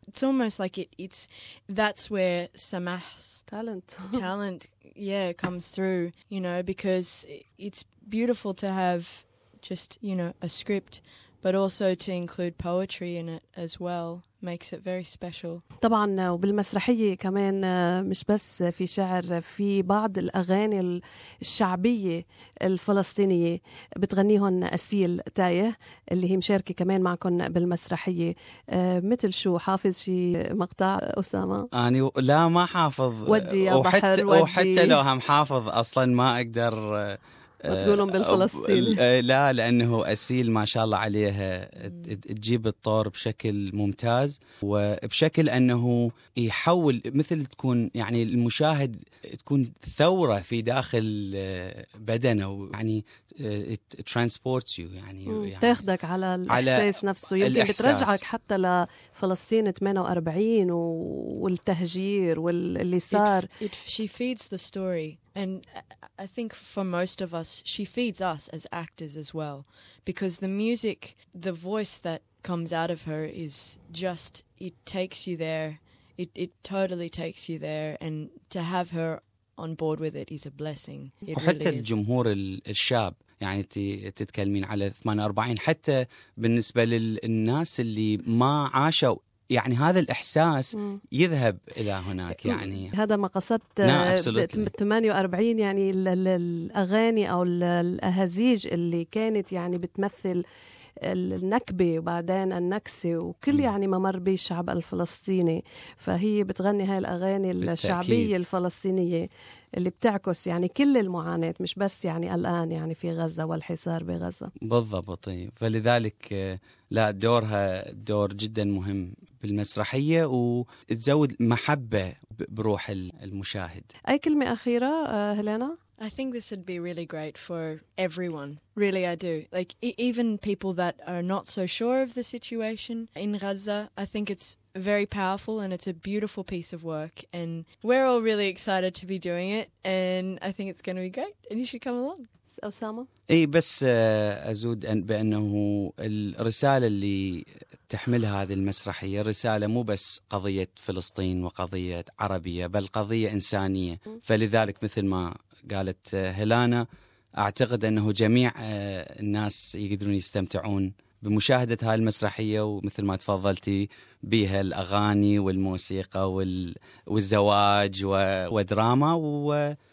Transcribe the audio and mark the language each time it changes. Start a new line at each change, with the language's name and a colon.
English: It's almost like it's that's where Samah's talent yeah comes through, you know, because it's beautiful to have just, you know, a script but also to include poetry in it as well. Makes it very special.
Arabic: طبعا وبالمسرحية كمان مش بس في شعر, في بعض الأغاني الشعبية الفلسطينية بتغنيهم أسيل تايه اللي هي مشاركة كمان معكم بالمسرحية. مثل شو, حافظ شي مقطع أسامة؟ أنا لا ما حافظ, ودي يا بحر ودي. وحتى لو هم حافظ أصلا ما أقدر بتقولهم بالفلسطيني. لا لأنه أسيل ما شاء الله عليها تجيب الطور بشكل ممتاز وبشكل أنه يحول مثل تكون يعني المشاهد تكون ثورة في داخل بدنه, يعني
English: it transports you,
Arabic: يعني تاخدك على الإحساس نفسه, يمكن بترجعك حتى لفلسطين 48 والتهجير واللي صار.
English: She feeds the story. And I think for most of us, she feeds us as actors as well, because the music, the voice that comes out of her is just, it takes you there. It totally takes you there. And to have her on board with it is a blessing.
Arabic: وحتى الجمهور الشاب, يعني تتكلمين على 48, حتى بالنسبة للناس اللي ما عاشوا, يعني هذا الإحساس يذهب إلى هناك. يعني هذا ما قصدت 48, يعني الأغاني أو الأهزيج اللي كانت يعني بتمثل النكبة وبعدين النكسة وكل يعني ما مر به الشعب الفلسطيني, فهي بتغني هاي الأغاني الشعبية الفلسطينية اللي بتعكس يعني كل المعاناة, مش بس يعني الآن يعني في غزة والحصار بغزة. بالضبط, فلذلك لا دورها دور جدا مهم بالمسرحية وتزود محبة بروح المشاهد. أي كلمة أخيرة هلانا؟
English: I think this would be really great for everyone. Really, I do. Like, even people that are not so sure of the situation in Gaza, I think it's very powerful and it's a beautiful piece of work. And we're all really excited to be doing it. And I think it's going to be great. And you should come along. Osama?
Arabic: إي بس أزود بأنه الرسالة اللي تحملها هذه المسرحية رسالة مو بس قضية فلسطين وقضية عربية بل قضية إنسانية. فلذلك مثل ما قالت هيلانا, أعتقد أنه جميع الناس يقدرون يستمتعون بمشاهدة هذه المسرحية, ومثل ما تفضلتي بها الأغاني والموسيقى والزواج ودراما